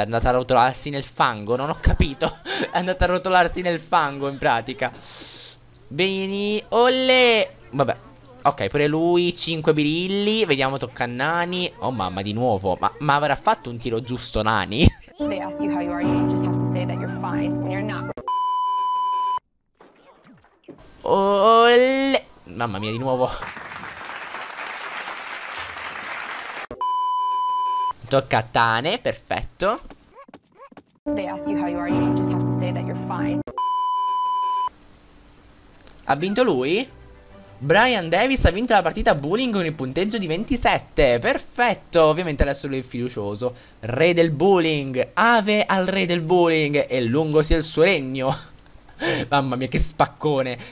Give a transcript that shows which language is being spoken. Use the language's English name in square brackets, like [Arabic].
[Italian] È andata a rotolarsi nel fango. Non ho capito. È andata a rotolarsi nel fango in pratica. Vieni. Olle. Vabbè. Ok, pure lui. 5 birilli. Vediamo, tocca a Nani. Oh mamma, di nuovo. Ma avrà fatto un tiro giusto, Nani? [English] They ask you how you are, you just have to say that you're fine when you're not. [Italian] Olle. Mamma mia, di nuovo. Tocca a Tane, perfetto. [English] They ask you how you are, you just have to say that you're fine. [Italian] Ha vinto lui? Brian Davis ha vinto la partita bullying con il punteggio di 27. Perfetto. Ovviamente adesso lui è fiducioso. Re del bullying. Ave al re del bullying. E lungo sia il suo regno. Mamma mia, che spaccone.